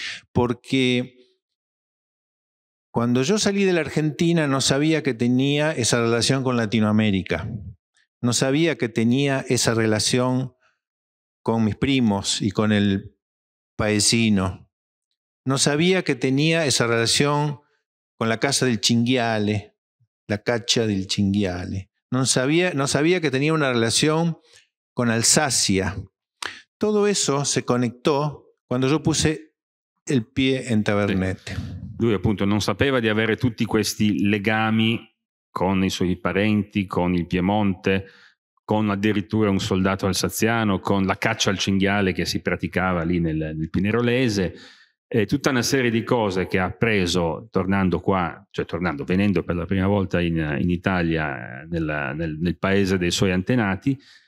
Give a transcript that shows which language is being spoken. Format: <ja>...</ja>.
<it>Perché quando io salì dall'Argentina non sapevo che tenía questa relazione con Latinoamérica, non sapevo che tenía questa relazione con i miei primos e con il paesino.</it> <es>No sabía que tenía esa relación con la casa del Chinguiale, la cacha del Chinguiale. No sabía que tenía una relación con Alsacia. Todo eso se conectó cuando yo puse el pie en Tavernette.</es> <it>Lui appunto non sapeva di avere tutti questi legami con i suoi parenti, con il Piemonte, con addirittura un soldato alsaziano, con la caccia al cinghiale che si praticava lì nel Pinerolese. E tutta una serie di cose che ha appreso tornando qua, cioè tornando, venendo per la prima volta in Italia, nel paese dei suoi antenati,</it>